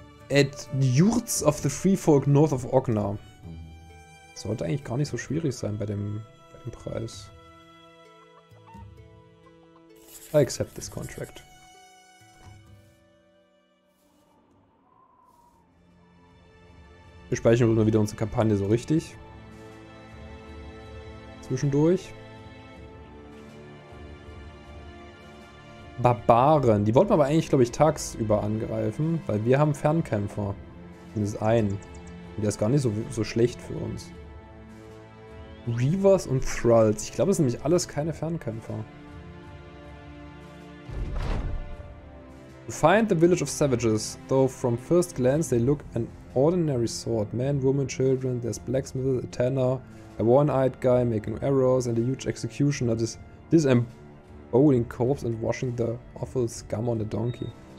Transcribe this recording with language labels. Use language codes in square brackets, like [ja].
[en] At Yurts of the Free Folk north of Ogna. [de] Sollte eigentlich gar nicht so schwierig sein bei dem Preis. [en] I accept this contract. [de] Wir speichern nur wieder unsere Kampagne so richtig. Zwischendurch. Barbaren. Die wollten wir aber eigentlich, glaube ich, tagsüber angreifen, weil wir haben Fernkämpfer. Zumindest einen. Und der ist gar nicht so schlecht für uns. Reavers und Thralls. Ich glaube, das sind nämlich alles keine Fernkämpfer. [en] To find the village of savages, though from first glance they look an ordinary sort. Men, women, children, there's blacksmith, a tanner, a one-eyed guy making arrows and a huge executioner. Disemboweling corpse and washing the awful scum on the donkey.